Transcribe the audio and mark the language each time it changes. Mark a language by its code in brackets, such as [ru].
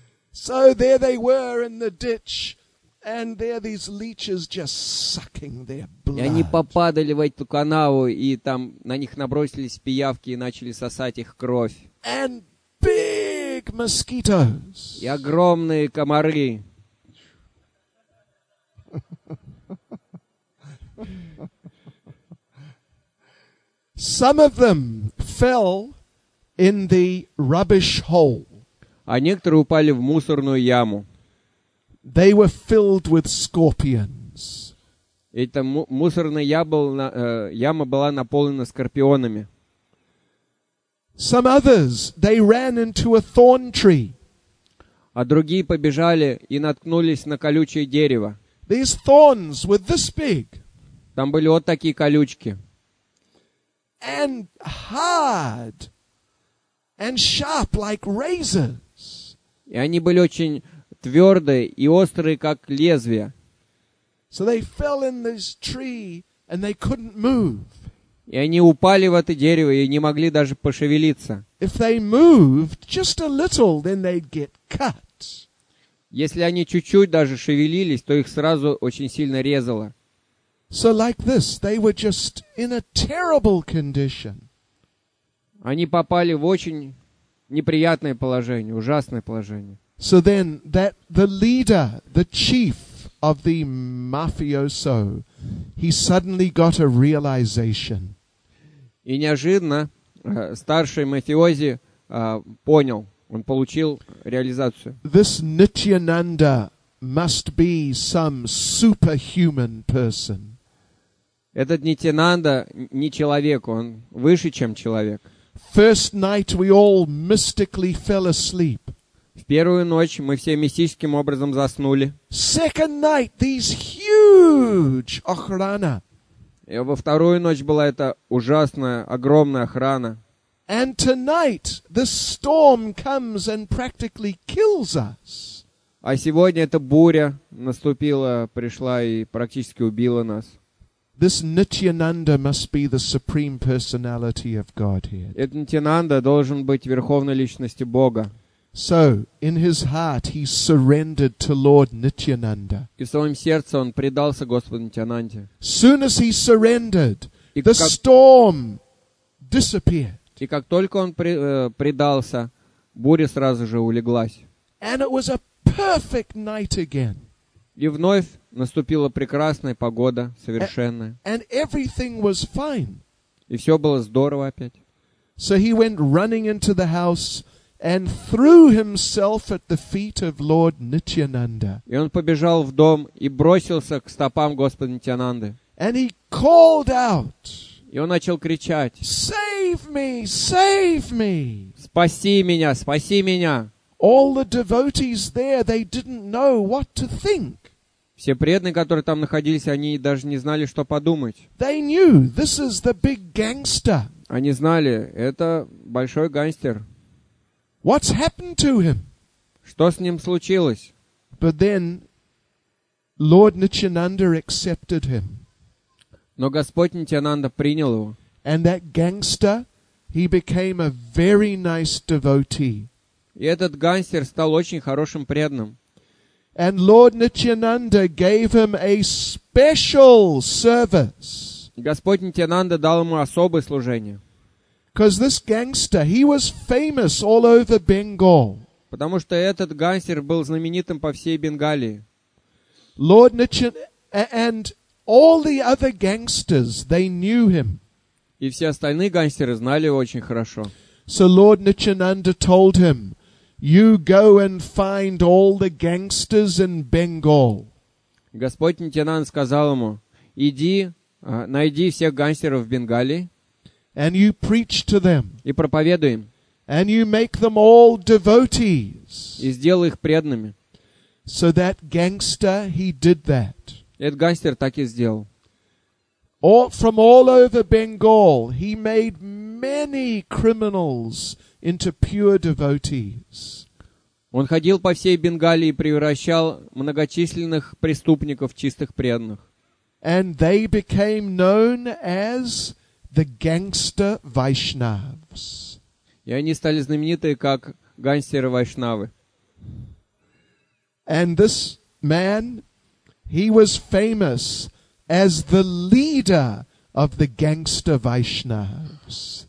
[en] So there they were in the ditch, and there these leeches just sucking their blood. [ru] И они попадали в эту канаву, и там на них набросились пиявки и начали сосать их кровь. [en] And big mosquitoes. [ru] И огромные комары. [en] Some of them fell in the rubbish hole. [ru] А некоторые упали в мусорную яму. [en] They were filled with scorpions. [ru] Эта мусорная яма была наполнена скорпионами. [en] Some others, they ran into a thorn tree. [ru] А другие побежали и наткнулись на колючее дерево. [en] These thorns were this big. [ru] Там были вот такие колючки. [en] And hard and sharp like razors. [ru] И они были очень твердые и острые, как лезвие. [en] So they fell in this tree, and they couldn't move. [ru] И они упали в это дерево и не могли даже пошевелиться. [en] If they moved just a little, then they'd get cut. [ru] Если они чуть-чуть даже шевелились, то их сразу очень сильно резало. [en] So like this, they were just in a terrible condition. [ru] Они попали в очень неприятное положение, ужасное положение. [en] So then that the leader, the chief of the mafioso, he suddenly got a realization. [ru] И неожиданно старший мафиози понял, он получил реализацию. [en] This Nityananda must be some superhuman person. [ru] Этот Нитьянанда не человек, он выше, чем человек. [en] First night we all mystically fell asleep. [ru] В первую ночь мы все мистическим образом заснули. [en] Second night these huge охрана. [ru] И во вторую ночь была эта ужасная огромная охрана. [en] And tonight the storm comes and practically kills us. [ru] А сегодня эта буря наступила, пришла и практически убила нас. [en] This Nityananda must be the supreme personality of Godhead. [ru] Этот Нитьянанда должен быть верховной личностью Бога. [en] So, in his heart, he surrendered to Lord Nityananda. [ru] И в своем сердце он предался Господу Нитьянанде. [en] Soon as he surrendered, the storm disappeared. [ru] И как только он предался, буря сразу же улеглась. [en] And it was a perfect night again. [ru] И вновь наступила прекрасная погода, совершенная. [en] And everything was fine. [ru] И все было здорово опять. [en] So he went running into the house and threw himself at the feet of Lord Nityananda. [ru] И он побежал в дом и бросился к стопам Господа Нитьянанды. [en] And he called out. [ru] И он начал кричать. [en] Save me, save me. [ru] Спаси меня, спаси меня. [en] All the devotees there, they didn't know what to think. [ru] Все преданные, которые там находились, они даже не знали, что подумать. [en] They knew this is the big gangster. [ru] Они знали, это большой гангстер. [en] What's happened to him? [ru] Что с ним случилось? [en] But then Lord Nityananda accepted him. [ru] Но Господь Нитьянанда принял его. [en] And that gangster, he became a very nice devotee. [ru] И этот гангстер стал очень хорошим преданным. [en] And Lord Nityananda gave him a special service. [ru] Господь Нитьянанда дал ему особое служение. [en] Because this gangster, he was famous all over Bengal. [ru] Потому что этот гангстер был знаменитым по всей Бенгалии. [en] Lord and all the other gangsters, they knew him. [ru] И все остальные гангстеры знали его очень хорошо. [en] So Lord Nityananda told him, "You go and find all the gangsters in Bengal." [ru] Господь Нитьянанда сказал ему: "Иди, найди всех гангстеров в Бенгалии." [en] And you preach to them. [ru] И проповедуй им. [en] And you make them all devotees. [ru] И сделай их преданными. [en] So that gangster, he did that. [ru] Этот гангстер так и сделал. [en] All, from all over Bengal, he made many criminals into pure devotees. [ru] Он ходил по всей Бенгалии и превращал многочисленных преступников в чистых преданных. [en] And they became known as the gangster Vaishnavs. [ru] И они стали знамениты как гангстеры Вайшнавы. [en] And this man, he was famous as the leader of the gangster Vaishnavs.